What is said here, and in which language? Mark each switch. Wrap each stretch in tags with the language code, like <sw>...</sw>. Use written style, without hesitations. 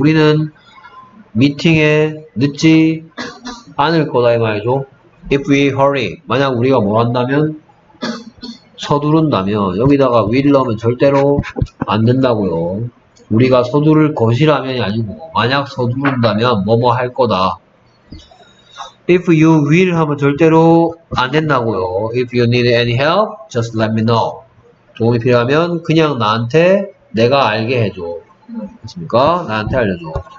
<ko>우리는 미팅에 늦지 않을 거다 이 말이죠.</ko> <en>If we hurry,</en> <ko>만약 우리가 뭐 한다면 서두른다면 여기다가 will 넣으면 절대로 안 된다고요. 우리가 서두를 것이라면이 아니고 만약 서두른다면 뭐뭐 할 거다.</ko> <en>If you will</en> <ko>하면 절대로 안 된다고요.</ko> <en>If you need any help, just let me know.</en> <ko>도움이 필요하면 그냥 나한테 내가 알게 해줘. 그렇습니까? 나한테 알려줘.</ko>